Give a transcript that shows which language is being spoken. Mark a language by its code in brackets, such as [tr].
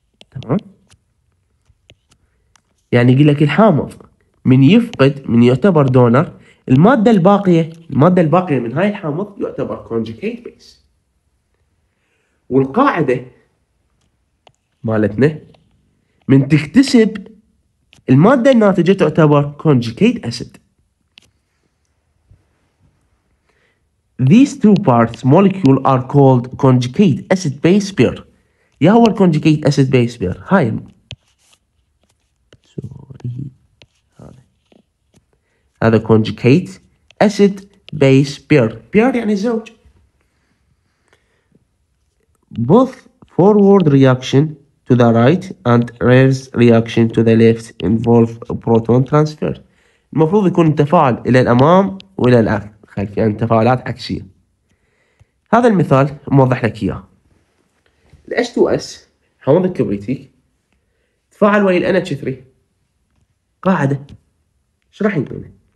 [ar] تمام، يعني يقول لك الحامض من يفقد من يعتبر دونر، المادة الباقية، المادة الباقية من هاي الحامض يعتبر conjugate base. والقاعدة مالتنا من تكتسب المادة الناتجة تعتبر conjugate acid. [en] These two parts molecule are called conjugate acid base pair. [ar] يا هو conjugate acid base pair هاي هذا conjugate acid base pair. pair يعني زوج. [en] both forward reaction to the right and reverse reaction to the left involve proton transfer. [ar] المفروض يكون التفاعل إلى الأمام وإلى الخلف، يعني تفاعلات عكسية. هذا المثال موضح لك إياه. الـ H2S حامض الكبريتي تفاعل ويا الـ NH3 قاعدة. شو راح يكون؟